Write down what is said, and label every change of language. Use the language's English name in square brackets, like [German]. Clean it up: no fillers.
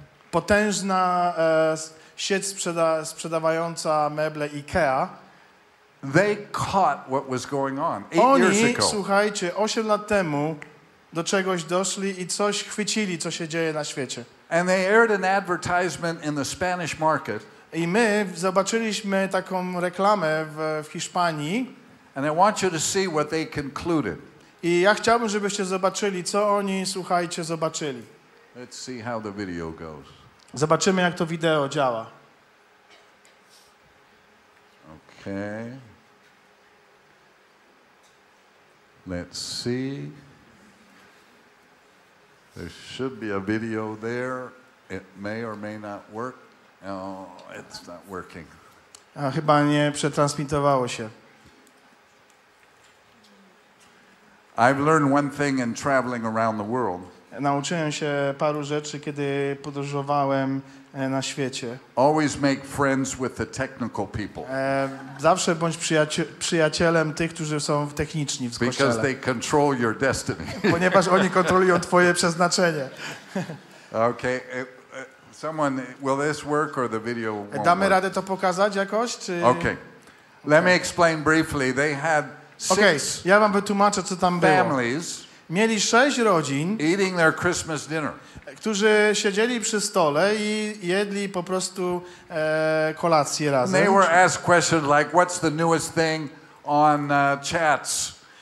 [Polish] potężna sieć sprzedawająca meble IKEA, [English] they caught what was going on. [Polish] Słuchajcie, 8 lat temu do czegoś doszli i coś chwycili, co się dzieje na świecie. [English] And they aired an advertisement in the Spanish market. [Polish] I my zobaczyliśmy taką reklamę w Hiszpanii. [English] And I want you to see what they concluded. [Polish] I ja chciałbym, żebyście zobaczyli, co oni, słuchajcie, zobaczyli. [English] Let's see how the video goes. [Polish] Zobaczymy, jak to wideo działa. [English] Okay. Let's see. There should be a video there. It may or may not work. No, it's not working. [Polish] A chyba nie przetransmitowało się. [English] I've learned one thing in traveling around the world. [Polish] Nauczyłem się paru rzeczy, kiedy podróżowałem na świecie. [English] Always make friends with the technical people. [Polish] Zawsze bądź przyjacielem tych, którzy są techniczni w kościele. [English] Because they control your destiny. [Polish] Ponieważ oni kontrolują twoje przeznaczenie. [English] Okay. Someone, will this work or the video won't work? [Polish] Damy radę to pokazać jakoś, czy... [English] Okay. Let me explain briefly. They had six okay. [Polish] Ja wam wytłumaczę, co tam [English] families. [Polish] Było. Mieli 6 rodzin, [English] eating their Christmas dinner. [Polish] Którzy siedzieli przy stole i jedli po prostu kolację razem. [English] They were asked questions like, what's the newest thing on chats?